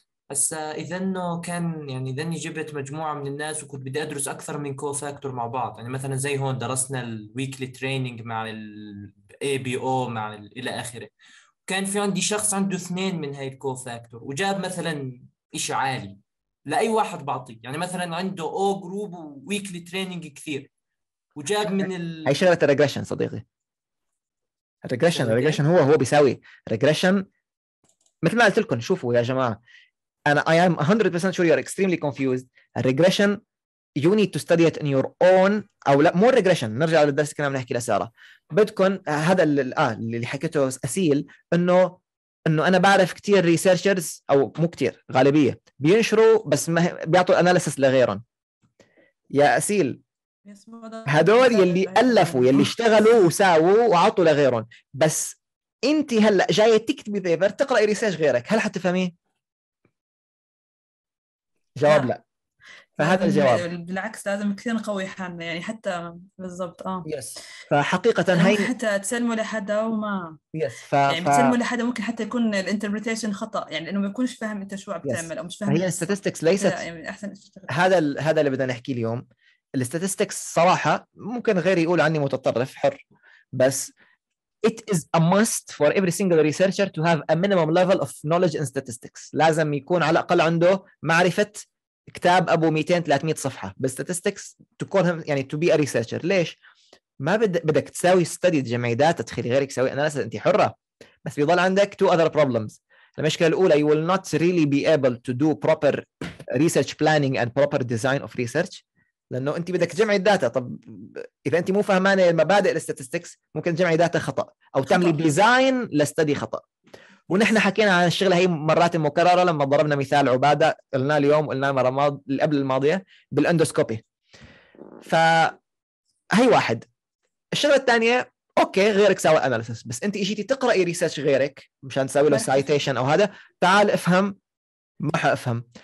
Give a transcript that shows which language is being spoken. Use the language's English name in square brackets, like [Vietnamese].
[Arabic] بس اذا انه كان يعني اذا جبت مجموعه من الناس وكنت بدي ادرس اكثر من كو فاكتور مع بعض, يعني مثلا زي هون درسنا الويكلي تريننج مع الاي بي او مع الى اخره, كان في عندي شخص عنده اثنين من هاي الكو فاكتور وجاب مثلا إشي عالي لأي واحد بعطي, يعني مثلا عنده او جروب وويكلي تريننج كثير وجاب من ال هاي شغلة الريجريشن صديقي. الريجريشن هو بيساوي ريجريشن مثل ما قلت لكم. شوفوا يا جماعة انا [English] I am 100% sure you are extremely confused. [Arabic] الريجريشن [English] you need to study it in your own [Arabic] او لا مو الريجريشن, نرجع للدرس كنا بنحكي لسارة بدكم هذا اللي حكيته أسيل انه انا بعرف كتير ريسيرشرز او مو كتير غالبية بينشروا بس ما بيعطوا الاناليسس لغيرهم. يا أسيل هدول يلي ألفوا يلي اشتغلوا وساووا وعطوا لغيرهم, بس انت هلأ جاية تكتبي بيبر تقرأي ريسيرش غيرك هل حتفهميه؟ جواب لا. فهذا الجواب بالعكس لازم كثير نقوي حالنا يعني حتى بالضبط يس. فحقيقة هاي حتى تسلموا لحدا وما يس يعني تسلموا لحدا ممكن حتى يكون الانتربريتيشن خطأ يعني انه ما يكونش فاهم انت شو عم تعمل او مش فاهم هي الستاتستكس ليست يعني احسن هذا اللي بدنا نحكي اليوم. الستاتستكس صراحة ممكن غير يقول عني متطرف حر, [English] بس it is a must for every single researcher to have a minimum level of knowledge in statistics. [Arabic] لازم يكون على الاقل عنده معرفة كتاب أبو 200-300 صفحة بالستاتستكس [English] to call him [Arabic] يعني [English] to be a researcher. [Arabic] ليش؟ ما بدك تساوي study جمعي داتا تخلي غيرك تساوي analysis, أنت حرة. بس بيضل عندك [English] two other problems. [Arabic] المشكلة الأولى [English] you will not really be able to do proper research planning and proper design of research [Arabic] لأنه أنت بدك تجمعي الداتا. طب إذا أنت مو فهمانة المبادئ الستاتستكس ممكن تجمعي داتا خطأ أو تعملي design لستدي خطأ. ونحن حكينا عن الشغلة هي مرات مكررة لما ضربنا مثال عبادة قلنا اليوم قلنا مرة قبل الماضية بالأندوسكوبي. فهي واحد الشغلة الثانية أوكي غيرك ساوي أناليسس, بس أنت إجيتي تقرأي ريسيرش غيرك مشان تساوي له سايتيشن أو هذا تعال افهم. ما حافهم.